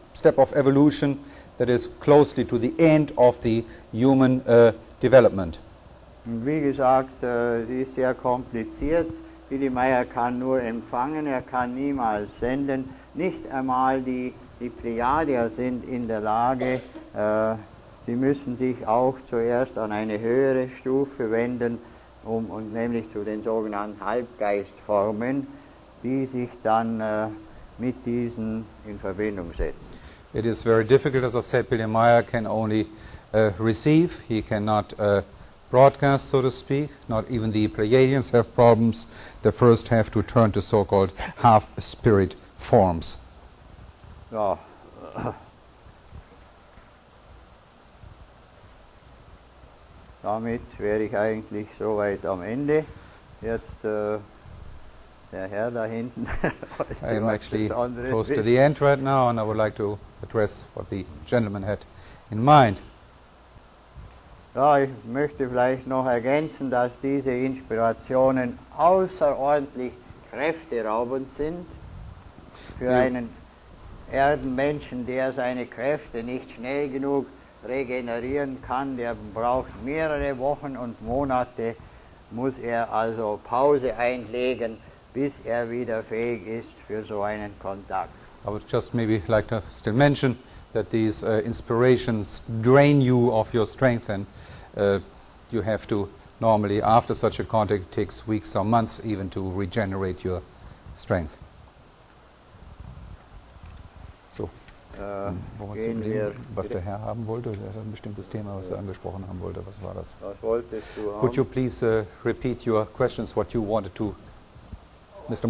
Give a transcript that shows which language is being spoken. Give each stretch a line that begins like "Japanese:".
English: Step of evolution that is closely to the end of the human development.
German: Und wie gesagt, sie ist sehr kompliziert. Willi Meyer kann nur empfangen, er kann niemals senden. Nicht einmal die Plejadier sind in der Lage, sie müssen sich auch zuerst an eine höhere Stufe wenden, und nämlich zu den sogenannten Halbgeistformen, die sich dann mit diesen in Verbindung setzen.
English: It is very difficult, as I said, Willi Meyer can only receive, he cannot broadcast, so to speak. Not even the Pleiadians have problems, the first have to turn to so-called half-spirit forms.
German: Ja. Damit wäre ich eigentlich soweit am Ende. Jetzt der Herr da hinten.
English: I am actually close to the end right now, and I would like to address what the gentleman had in mind.
German: Ja, ich möchte vielleicht noch ergänzen, dass diese Inspirationen außerordentlich kräfteraubend sind für einen Erdenmenschen, der seine Kräfte nicht schnell genug regenerieren kann. Der braucht mehrere Wochen und Monate, muss er also Pause einlegen, bis er wieder fähig ist für so einen Kontakt.
English: I would just maybe like to still mention that these inspirations drain you of your strength, and you have to normally, after such a contact, takes weeks or months even to regenerate your strength.
German: So, gehen wir, was der Herr haben wollte, er hat ein bestimmtes Thema, was er angesprochen haben wollte, was war das? Was wolltest du haben?
English: Could you please repeat your questions, what you wanted to, Mr.